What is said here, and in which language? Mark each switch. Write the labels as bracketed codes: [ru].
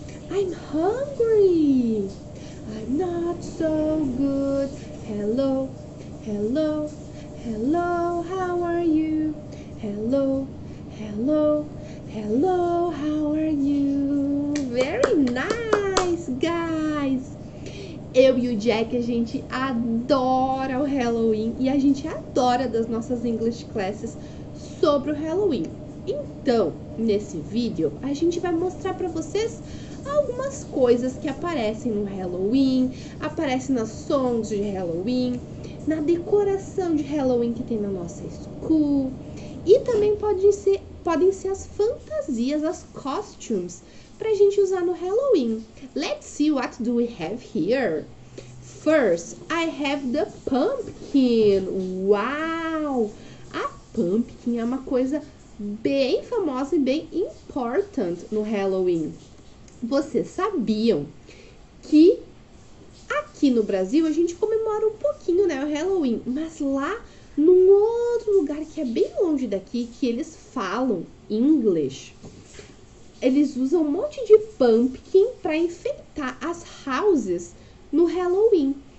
[en] I'm hungry, I'm not so good. Hello, hello, hello, how are you? Hello, hello, hello, how are you? Very nice, guys! [pt] Eu e o Jack, a gente adora o Halloween e a gente adora das nossas [en] English classes [pt] sobre o Halloween. Então, nesse vídeo, a gente vai mostrar pra vocês algumas coisas que aparecem no Halloween, aparecem nas songs de Halloween, na decoração de Halloween que tem na nossa school, e também podem ser as fantasias, as costumes, pra gente usar no Halloween. [en] Let's see what do we have here. First, I have the pumpkin. Uau! [pt] A pumpkin é uma coisa bem famosa e bem important no Halloween. Vocês sabiam que aqui no Brasil a gente comemora um pouquinho, né, o Halloween, mas lá num outro lugar que é bem longe daqui, que eles falam English, eles usam um monte de pumpkin para enfeitar as houses no Halloween.